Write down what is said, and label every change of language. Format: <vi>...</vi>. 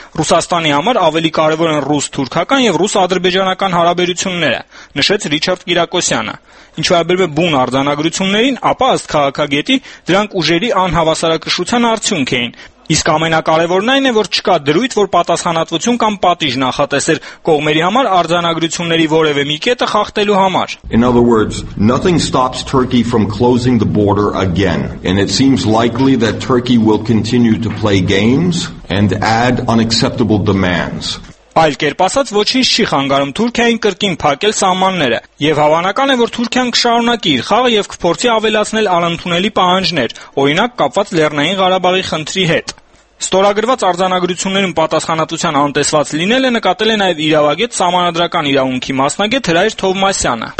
<hy>Ռուսաստանի համար ավելի կարևոր են ռուս-թուրքական եւ ռուս-ադրբեջանական հարաբերությունները, նշեց Ռիչարդ Կիրակոսյանը։ Ինչ վերաբերում է բուն արձանագրություններին, ապա ըստ քաղաքագետի դրանք ուժերի անհավասարակշռության արդյունք էին։ Իսկ ամենակարևորն այն է, որ չկա դրույթ, որ պատասխանատվություն կամ պատիժ նախատեսեր կողմերի համար արձանագրությունների որևէ մի կետը խախտելու համար։</hy> <en>In other words, nothing stops Turkey from closing the border again, and it seems likely that Turkey will continue to play games and add unacceptable demands.</en> <hy>Այլ կերպ ասած, ոչինչ չի խանգարում Թուրքիային կրկին փակել սահմանները, եւ հավանական է, որ Թուրքիան կշարունակի իր խաղը եւ կփորձի ավելացնել անընդունելի պահանջներ, օրինակ կապված Լեռնային Ղարաբաղի խնդրի հետ։ Ստորագրված արձանագրություններին պատասխանատվության անտեսված լինելը նկատել է նաև իրավագետ սահմանադրական իրավունքի մասնագետ Հրայր Թովմասյանը։</hy>